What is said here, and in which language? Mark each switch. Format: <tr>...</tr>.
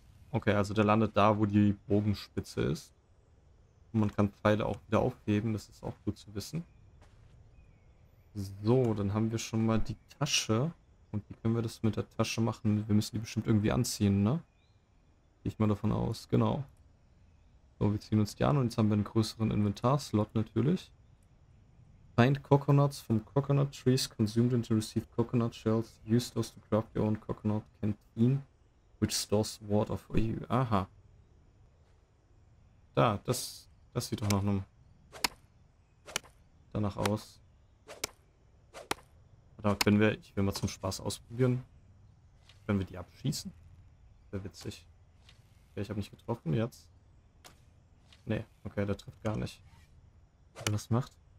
<de>Okay, also der landet da, wo die Bogenspitze ist. Und man kann Pfeile auch wieder aufheben, das ist auch gut zu wissen. So, dann haben wir schon mal die Tasche. Und wie können wir das mit der Tasche machen? Wir müssen die bestimmt irgendwie anziehen, ne? Gehe ich mal davon aus. Genau. So, wir ziehen uns die an und jetzt haben wir einen größeren Inventarslot natürlich.</de> <en>Find Coconuts from Coconut Trees, consumed and received Coconut Shells. Use those to craft your own Coconut Canteen, which stores water for you.</en> <de>Aha. Da, das sieht doch nach einem danach aus. Da können wir, ich will mal zum Spaß ausprobieren. Können wir die abschießen? Wäre witzig. Okay, ich habe nicht getroffen jetzt. Nee, okay, der trifft gar nicht. Wenn das macht.</de>